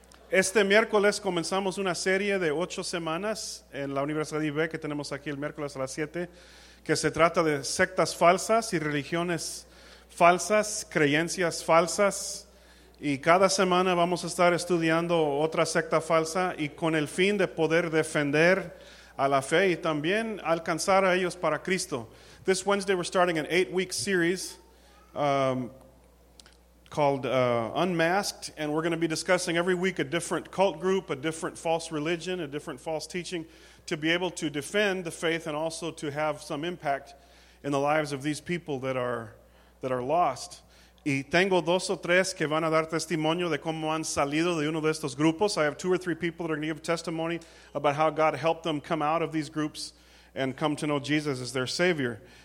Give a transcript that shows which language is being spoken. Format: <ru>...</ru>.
<es>Este miércoles comenzamos una serie de 8 semanas en la Universidad de IB que tenemos aquí el miércoles a las 7, que se trata de sectas falsas y religiones falsas, creencias falsas. Y cada semana vamos a estar estudiando otra secta falsa y con el fin de poder defender a la fe y también alcanzar a ellos para Cristo.</es> <en>This Wednesday we're starting an 8-week series called Unmasked, and we're going to be discussing every week a different cult group, a different false religion, a different false teaching, to be able to defend the faith and also to have some impact in the lives of these people that are lost.</en> <es>Y tengo dos o tres que van a dar testimonio de cómo han salido de uno de estos grupos.</es> <en>I have 2 or 3 people that are going to give testimony about how God helped them come out of these groups and come to know Jesus as their Savior.</en>